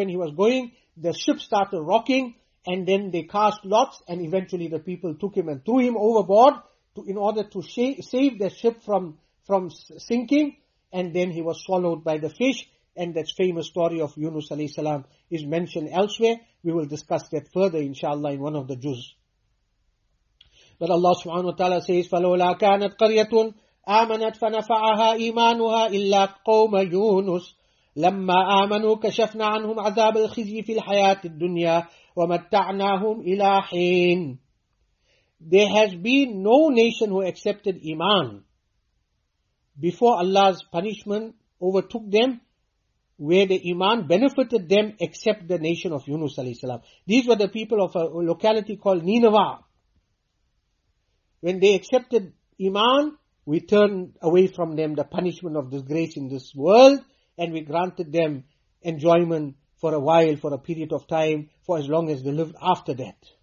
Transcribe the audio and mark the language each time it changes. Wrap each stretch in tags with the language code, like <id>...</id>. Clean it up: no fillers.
<en>When he was going, the ship started rocking, and then they cast lots, and eventually the people took him and threw him overboard in order to save the ship from sinking. And then he was swallowed by the fish. And that famous story of Yunus alayhi salam is mentioned elsewhere. We will discuss that further, inshallah, in one of the juz. But Allah subhanahu wa ta'ala says,</en> <ar>فَلَوْلَا كَانَتْ قَرْيَةٌ آمَنَتْ فَنَفَعَهَا إِيمَانُهَا إِلَّا قَوْمَ يُونُسْ لَمَّا آمَنُوا كَشَفْنَا عَنْهُمْ عَذَابَ الْخِزْيِ فِي الْحَيَاةِ الدُّنْيَا وَمَتَّعْنَاهُمْ إِلَىٰ حِينٍ.</ar> <en>There has been no nation who accepted Iman before Allah's punishment overtook them, where the Iman benefited them, except the nation of Yunus alayhi salam. These were the people of a locality called Nineveh. When they accepted Iman, we turned away from them the punishment of disgrace in this world, and we granted them enjoyment for a while, for a period of time, for as long as they lived after that.</en>